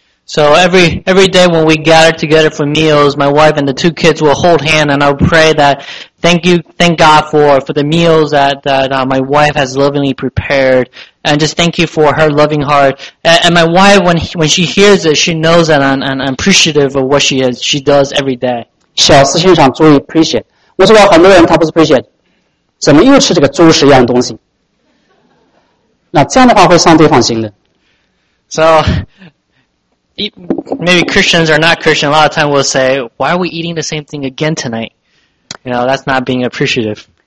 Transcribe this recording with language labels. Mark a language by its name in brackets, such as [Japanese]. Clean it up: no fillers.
[English] So every day when we gather together for meals, my wife and the two kids will hold hands and I'll pray that thank God for the meals that my wife has lovingly prepared, and just thank you for her loving heart. And my wife, when she hears it, she knows that I'm appreciative of what she does every day. [Chinese] 小事情上注意 appreciate. 我说很多人他不是 appreciate, 怎么又吃这个猪食一样东西? 那这样的话会伤对方心的。 [English] So, maybe Christians or not Christian, a lot of times we'll say, why are we eating the same thing again tonight? You know, that's not being appreciative.